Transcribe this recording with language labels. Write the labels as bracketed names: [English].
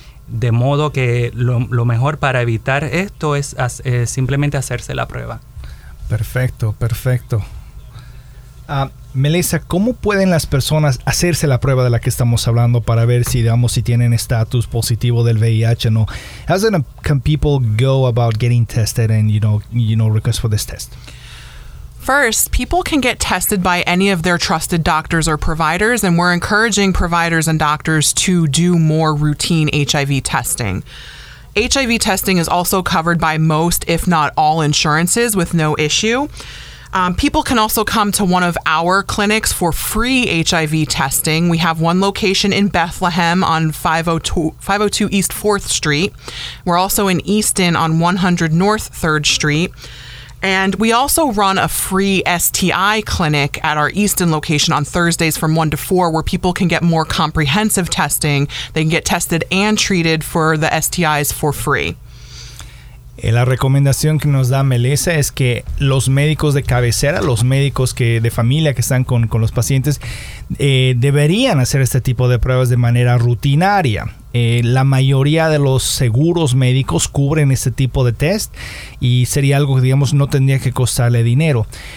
[Spanish] De modo que lo mejor para evitar esto es simplemente hacerse la prueba. Perfecto, perfecto. Melissa, ¿cómo pueden las personas hacerse la prueba de la que estamos hablando para ver si, digamos, si tienen estatus positivo del VIH o no? [English] How can people go about getting tested and, request for this test? First, people can get tested by any of their trusted doctors or providers, and we're encouraging providers and doctors to do more routine HIV testing. HIV testing is also covered by most, if not all, insurances with no issue. People can also come to one of our clinics for free HIV testing. We have one location in Bethlehem on 502 East 4th Street. We're also in Easton on 100 North 3rd Street. And we also run a free STI clinic at our Easton location on Thursdays from 1 to 4, where people can get more comprehensive testing. They can get tested and treated for the STIs for free. [Spanish] La recomendación que nos da Melissa es que los médicos de cabecera, los médicos de familia que están con los pacientes, deberían hacer este tipo de pruebas de manera rutinaria. La mayoría de los seguros médicos cubren este tipo de test y sería algo que, digamos, no tendría que costarle dinero.